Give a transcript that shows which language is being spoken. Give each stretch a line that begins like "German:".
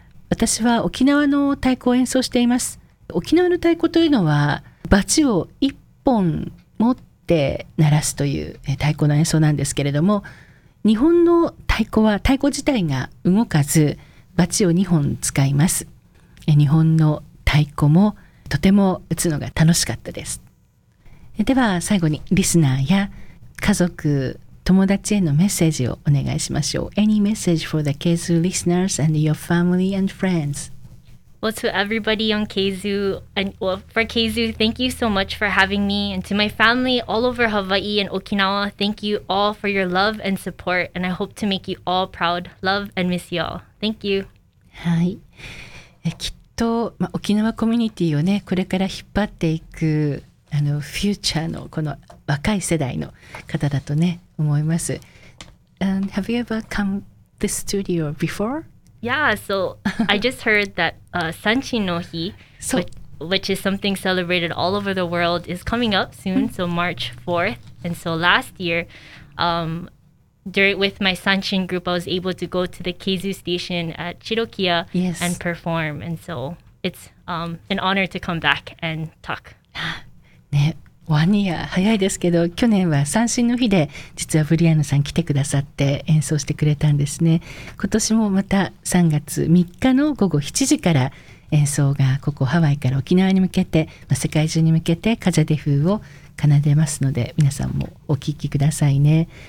Japanese: 私は沖縄の太鼓を演奏しています。沖縄の太鼓というのはバチを一本持って鳴らすという太鼓の演奏なんですけれども、日本の太鼓は太鼓自体が動かずバチを2本使います。日本の太鼓もとても打つのが楽しかったです。では最後にリスナーや家族友達へのメッセージをお願いしましょう。
English: Any message for the KZU listeners and your family and friends? Well, to everybody on KZU and for KZU, thank you so much for having me. And to my family all over Hawaii and Okinawa, thank you all for your love and support. And I hope to make you all proud. Love and miss you all. Thank you.
Japanese: はい。きっと、沖縄コミュニティをね、これから引っ張っていくフューチャーのこの若い世代の方だとね、思います。
English: And have you ever come to the studio before? Yeah, so I just heard that Sanchin no Hi, which is something celebrated all over the world, is coming up soon, so March 4th. And so last year, with my Sanchin group, I was able to go to the KZU station at Chirokia and perform. And so it's an honor to come back and talk.
Japanese: ね、
English: 1 year
Japanese: 早いですけど、去年は三線の日で実はブリアナさん来てくださって演奏してくれたんですね。今年もまた3月3日の午後7時から演奏がここハワイから沖縄に向けて、世界中に向けてカジャデフを奏でますので、皆さんもお聞きくださいね。